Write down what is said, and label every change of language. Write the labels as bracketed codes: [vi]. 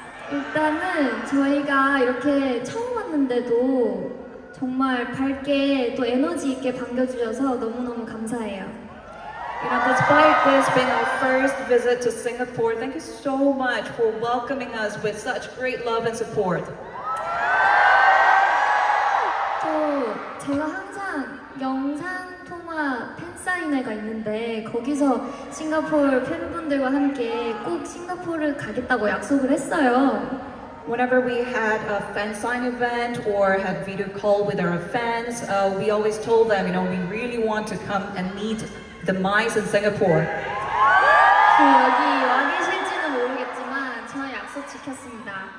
[ko] 일단은 저희가 이렇게 처음 왔는데도 정말 밝게 또 에너지 있게 반겨주셔서 너무너무 감사해요. [en] You know, despite this being our first visit to Singapore, thank you so much for welcoming us with such great love and support. [ko] 또 제가 항상 영상 통화 사인회가 있는데 거기서 싱가포르 팬분들과 함께 꼭 싱가포르 가겠다고 약속을 했어요. [en] Whenever we had a fan sign event or had video call with our fans, we always told them, you know, we really want to come and meet the mice in Singapore. [ko] 여기 와 계실지는 모르겠지만 저 약속 지켰습니다.